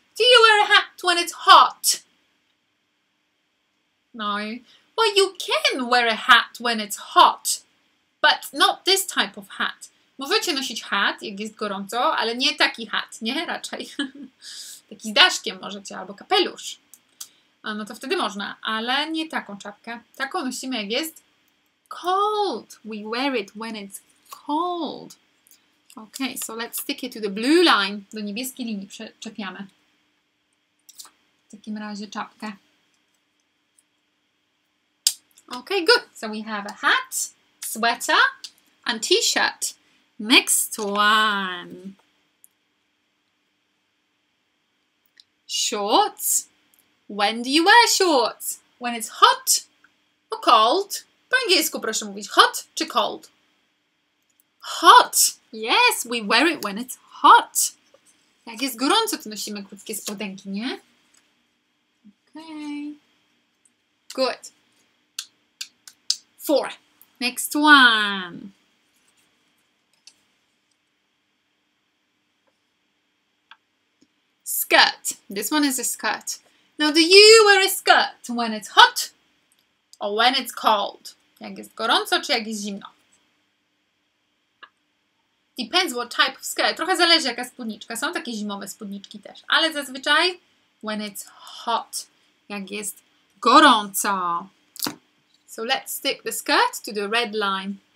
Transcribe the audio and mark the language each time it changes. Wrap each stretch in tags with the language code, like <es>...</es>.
<en>Do you wear a hat when it's hot? No. Well, you can wear a hat when it's hot, but not this type of hat.</en> <pl>Możecie nosić hat, jak jest gorąco, ale nie taki hat, nie? Raczej. Taki z daszkiem możecie, albo kapelusz. A no to wtedy można, ale nie taką czapkę. Taką nosimy, jak jest cold.</pl> <en>We wear it when it's cold. Okay, so let's stick it to the blue line.</en> <pl>Do niebieskiej linii przyczepiamy. W takim razie czapkę.</pl> <en>Okay, good. So we have a hat, sweater and t-shirt. Next one. Shorts. When do you wear shorts? When it's hot or cold?</en> <pl>Po angielsku proszę mówić. Hot czy cold? Hot.</pl> <en>Yes, we wear it when it's hot.</en> <pl>Jak jest gorąco, to nosimy krótkie spodenki, nie?</pl> <en>Okay. Good. Four. Next one. Skirt. This one is a skirt. Now, do you wear a skirt when it's hot or when it's cold?</en> <pl>Jak jest gorąco, czy jak jest zimno?</pl> <en>Depends what type of skirt.</en> <pl>Trochę zależy, jaka spódniczka. Są takie zimowe spódniczki też. Ale zazwyczaj</pl> <en>when it's hot,</en> <pl>jak jest gorąco.</pl> <en>So, let's stick the skirt to the red line.</en>